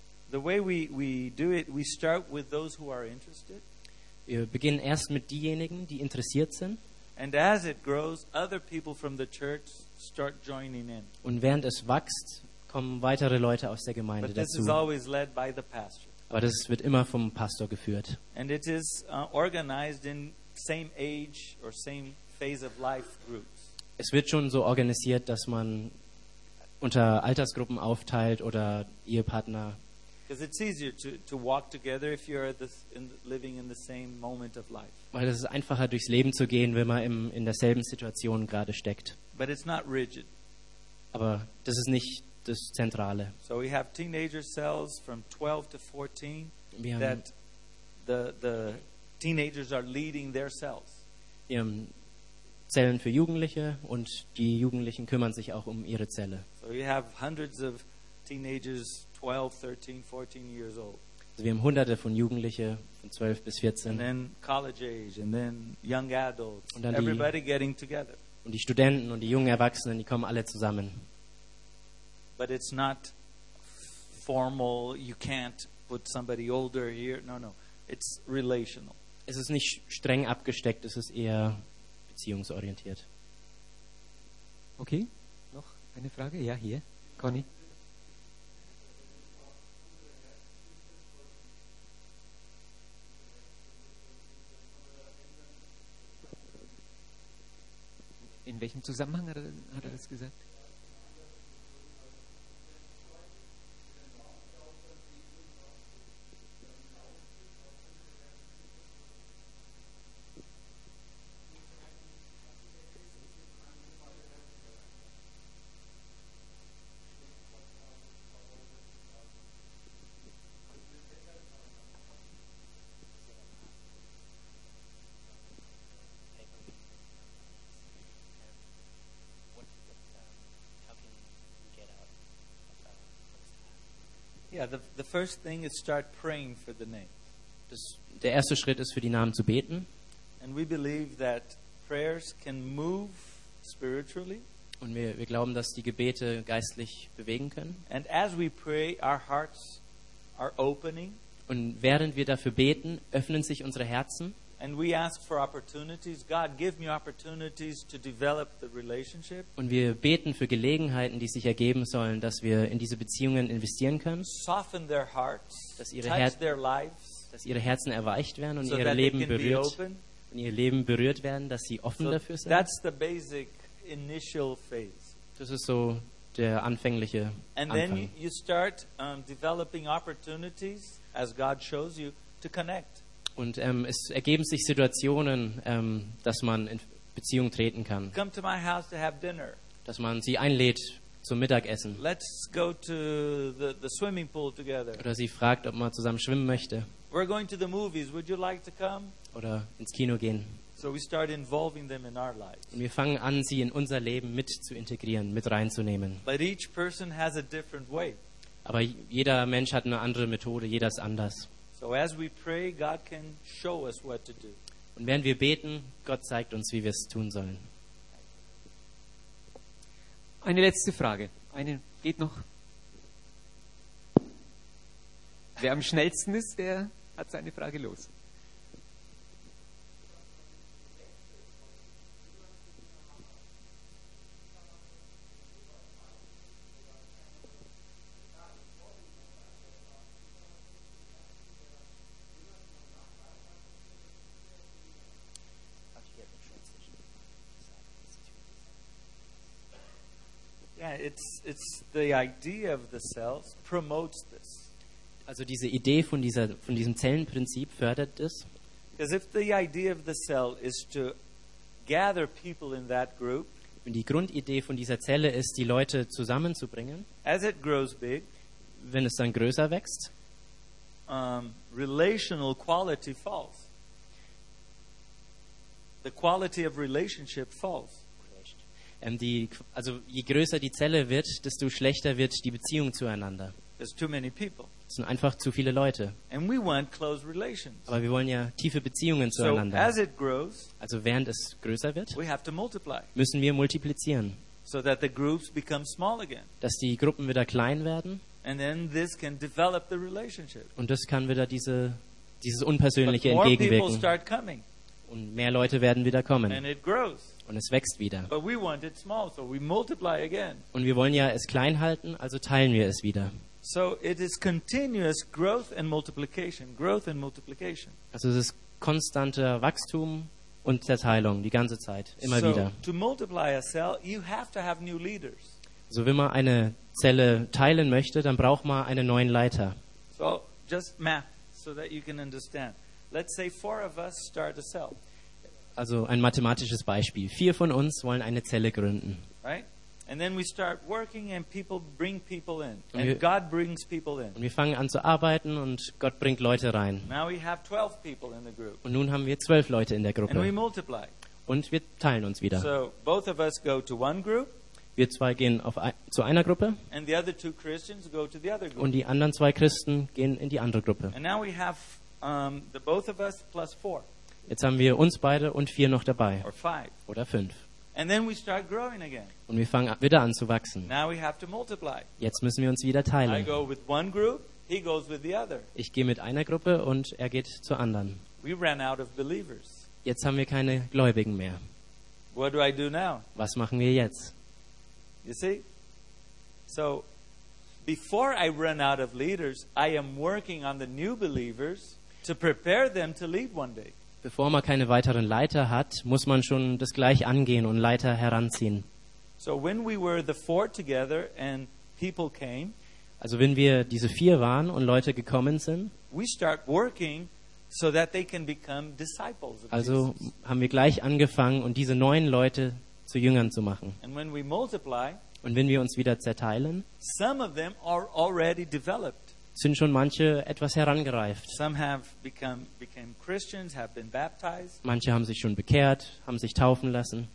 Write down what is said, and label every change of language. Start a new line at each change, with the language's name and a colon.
English: The way we do it, we start with those who are interested.
German: Wir beginnen erst mit diejenigen, die interessiert sind.
English: And as it grows, other people from the church start joining in.
German: Und während es wächst, kommen weitere Leute aus der Gemeinde dazu.
English: But this is always led by the pastor.
German: Aber das wird immer vom Pastor geführt.
English: And it is organized in same age or same phase of life groups.
German: Es wird schon so organisiert, dass man unter Altersgruppen aufteilt oder Ehepartner.
English: Because it's easier to walk together if you're living in the same moment of life.
German: Weil es ist einfacher durchs Leben zu gehen, wenn man in derselben Situation gerade steckt.
English: But it's not rigid.
German: Aber das ist nicht das Zentrale.
English: So we have teenager cells from 12 to 14 that the teenagers are leading their cells.
German: Zellen für Jugendliche und die Jugendlichen kümmern sich auch um ihre Zelle.
English: So we have hundreds of teenagers 12, 13, 14 years old.
German: Also wir haben hunderte von Jugendlichen von 12 bis 14.
English: And then college age and then young adults.
German: Und dann die,
English: everybody getting together.
German: Und die Studenten und die jungen Erwachsenen, die kommen alle zusammen.
English: But it's not formal, you can't put somebody older here. No, no. It's relational.
German: Es ist nicht streng abgesteckt, es ist eher beziehungsorientiert. Okay, noch eine Frage? Ja, hier, Conny. In welchem Zusammenhang hat er das gesagt? Ja.
English: Yeah, the first thing is start praying for the name.
German: Der erste Schritt ist, für die Namen zu beten.
English: And we believe that prayers can move spiritually.
German: Und wir glauben, dass die Gebete geistlich bewegen können.
English: And as we pray, our hearts are opening.
German: Und während wir dafür beten, öffnen sich unsere Herzen.
English: And we ask for opportunities. God, give me opportunities to develop the relationship.
German: Und wir beten für Gelegenheiten, die sich ergeben sollen, dass wir in diese Beziehungen investieren können.
English: Soften their hearts.
German: Dass ihre dass ihre Herzen erweicht werden und ihr Leben berührt
English: open.
German: Und ihr Leben berührt werden, dass sie offen dafür sind.
English: That's the basic initial phase.
German: Das ist so der anfängliche Anfang.
English: And then you start developing opportunities as God shows you to connect.
German: Und es ergeben sich Situationen, dass man in Beziehung treten kann.
English: Come to my house to have dinner.
German: Dass man sie einlädt zum Mittagessen.
English: Let's go to the swimming pool together.
German: Oder sie fragt, ob man zusammen schwimmen möchte.
English: We're going to the movies. Would you like to come?
German: Oder ins Kino gehen.
English: So we start involving them in our lives.
German: Und wir fangen an, sie in unser Leben mit zu integrieren, mit reinzunehmen.
English: But each person has a different way.
German: Aber jeder Mensch hat eine andere Methode, jeder ist anders.
English: So as we pray, God can show us what to do.
German: Und während wir beten, Gott zeigt uns, wie wir es tun sollen. Eine letzte Frage. Eine geht noch. Wer am schnellsten ist, der hat seine Frage los.
English: It's the idea of the cells promotes this.
German: Also diese Idee von diesem Zellenprinzip fördert das.
English: Because if the idea of the cell is to gather people in that group,
German: wenn die Grundidee von dieser Zelle ist, die Leute zusammenzubringen,
English: as it grows big,
German: wenn es dann größer wächst,
English: relational quality falls. The quality of relationship falls.
German: Also je größer die Zelle wird, desto schlechter wird die Beziehung zueinander.
English: There's too many people.
German: Es sind einfach zu viele Leute.
English: And we want close relations.
German: Aber wir wollen ja tiefe Beziehungen zueinander.
English: So as it grows,
German: also während es größer wird,
English: we have to multiply.
German: Müssen wir multiplizieren,
English: so that the groups become small again.
German: Dass die Gruppen wieder klein werden.
English: And then this can develop the relationship.
German: Und das kann wieder dieses Unpersönliche entgegenwirken.
English: But more people start coming.
German: Und mehr Leute werden wieder kommen.
English: And it grows.
German: Und es wächst wieder.
English: But we want it small, so we multiply again.
German: Und wir wollen ja es klein halten, also teilen wir es wieder.
English: So it is continuous growth and multiplication, growth and multiplication.
German: Also es ist konstanter Wachstum und Zerteilung die ganze Zeit, immer wieder.
English: So to multiply a cell, you have to have new leaders.
German: Also wenn man eine Zelle teilen möchte, dann braucht man einen neuen Leiter.
English: So just math, so that you can understand. Let's say four of us start a cell.
German: Also ein mathematisches Beispiel. Vier von uns wollen eine Zelle gründen.
English: Right? And then we start working and people bring people in. And God brings people in.
German: Und wir fangen an zu arbeiten und Gott bringt Leute rein.
English: Now we have 12 people in the group.
German: Und nun haben wir 12 Leute in der Gruppe.
English: And we multiply.
German: Und wir teilen uns wieder.
English: So both of us go to one group.
German: Wir zwei gehen zu einer Gruppe.
English: And the other two Christians go to the other group.
German: Und die anderen zwei Christen gehen in die andere Gruppe.
English: And now we have the both of us plus four.
German: Jetzt haben wir uns beide und vier noch dabei. Oder fünf.
English: And then we start growing again.
German: Und wir fangen wieder an zu wachsen.
English: Now we have to multiply.
German: Jetzt müssen wir uns wieder teilen.
English: I go with one group, he goes with the other.
German: Ich gehe mit einer Gruppe und er geht zur anderen.
English: We ran out of believers.
German: Jetzt haben wir keine Gläubigen mehr.
English: What do I do now?
German: Was machen wir jetzt?
English: You see? So, before I run out of leaders, I am working on the new believers to prepare them to lead one day.
German: Bevor man keine weiteren Leiter hat, muss man schon das gleich angehen und Leiter heranziehen.
English: So when we were the four together and people came,
German: also wenn wir diese vier waren und Leute gekommen sind,
English: we start working so that they can become disciples of
German: also
English: Jesus.
German: Haben wir gleich angefangen und diese neuen Leute zu Jüngern zu machen.
English: And when we multiply,
German: und wenn wir uns wieder zerteilen,
English: some of them are already developed.
German: Sind schon manche etwas herangereift.
English: Some have became Christians, have been baptized.
German: Manche haben sich schon bekehrt, haben sich taufen lassen.